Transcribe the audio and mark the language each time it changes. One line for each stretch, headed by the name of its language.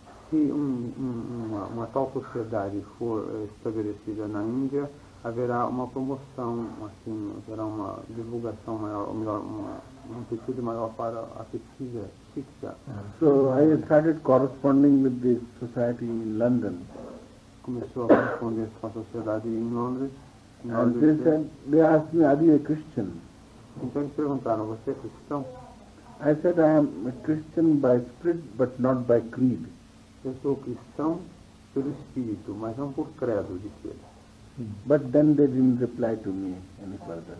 Portuguese: Se uma tal sociedade for estabelecida na Índia, haverá uma promoção, assim, haverá uma divulgação maior, ou melhor, uma amplitude maior para a pesquisa psíquica.
English: So I started corresponding with the society in London.
Portuguese: Começou a corresponder com a sociedade em Londres.
English: And they said, they asked me, are you a Christian?
Portuguese: Então eles perguntaram, você é cristão?
English: I said, I am a Christian by spirit, but not by creed.
Portuguese: Eu sou cristão pelo espírito, mas não por credo, disse ele.
English: But then they didn't reply to me any further.